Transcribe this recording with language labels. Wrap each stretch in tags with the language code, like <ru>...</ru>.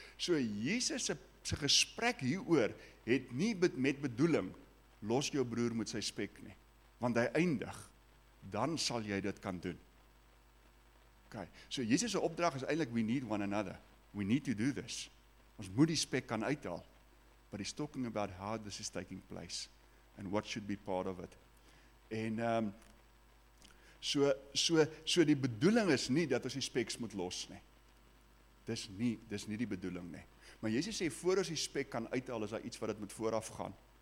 <af>So Jesus se gesprek hieroor het nie met bedoeling, los jou broer met sy speck nie, want hy eindig, dan sal jy dit kan doen. Okay, so Jesus se opdrag is eintlik,</af> <en>we need one another, we need to do this.</en> <af>Ons moet die speck kan uithaal.</af> <en>But he's talking about how this is taking place and what should be part of it.</en> <af>En so die bedoeling is nie dat ons die speks moet los nie. Dis nie die bedoeling nie. Maar Jesus sê voor ons die spek kan uithaal is daar iets wat dit moet vooraf gaan.</af>